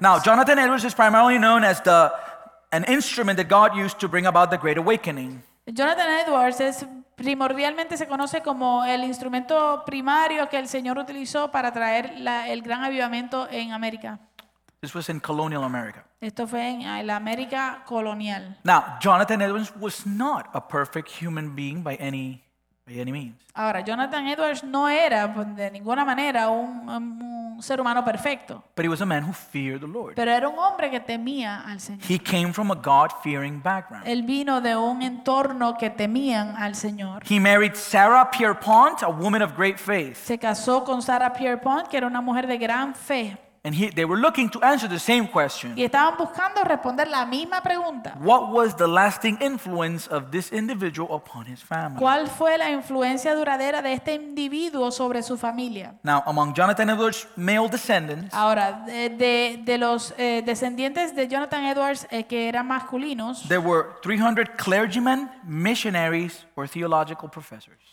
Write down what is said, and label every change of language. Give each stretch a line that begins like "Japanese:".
English: Now, Jonathan Edwards is primarily known as an instrument that God used to bring about the Great Awakening.
Spanish: Jonathan Edwards es primordialmente se conoce como el instrumento primario que el Señor utilizó para traer el gran avivamiento en América.
English: This was in colonial America.
Spanish: Esto fue en la América colonial.
English: Now, Jonathan Edwards was not a perfect human being by any means.
Spanish: Ahora, Jonathan Edwards no era de ninguna manera un ser humano perfecto.
English: But he was a man who feared the Lord.
Spanish: Pero era un hombre que temía al Señor.
English: He came from a God-fearing background.
Spanish: Él vino de un entorno que temían al Señor.
English: He married Sarah Pierpont, a woman of great faith.
Spanish: Se casó con Sarah Pierpont, que era una mujer de gran fe.
English: And they were looking to answer the same question.
Spanish: Y estaban buscando responder la misma pregunta.
English: What was the lasting influence of this individual upon his family?
Spanish: ¿Cuál fue la influencia duradera de este individuo sobre su familia?
English: Now, among Jonathan Edwards' male descendants.
Spanish: Ahora, de los descendientes de Jonathan Edwards que eran masculinos.
English: There were 300 clergymen, missionaries, or theological professors.